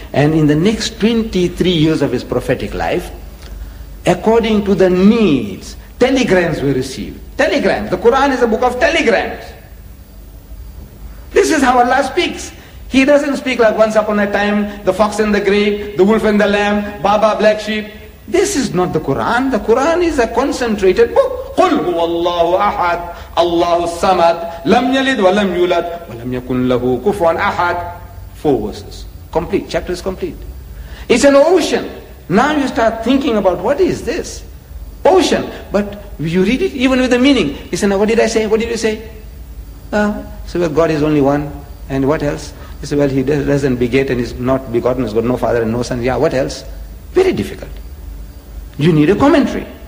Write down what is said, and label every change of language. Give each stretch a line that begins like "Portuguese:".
English: And in the next 23 years of his prophetic life, according to the needs, telegrams were received. Telegrams. The Quran is a book of telegrams. This is how Allah speaks. He doesn't speak like once upon a time, the fox and the grape, the wolf and the lamb, Baba, black sheep. This is not the Quran. The Quran is a concentrated book.
Arabic: قُلْ هُوَ اللَّهُ أَحَدْ اللَّهُ السَّمَدْ لَمْ يَلِدْ وَلَمْ يُولَدْ وَلَمْ يَكُنْ لَهُ كُفُوًا أَحَدْ
English: Four verses. Complete. Chapter is complete. It's an ocean. Now you start thinking about what is this? Ocean. But you read it even with the meaning. You say, now what did I say? What did you say? So well, God is only one. And what else? You say, well, he doesn't beget and he's not begotten. He's got no father and no son. Yeah, what else? Very difficult. You need a commentary.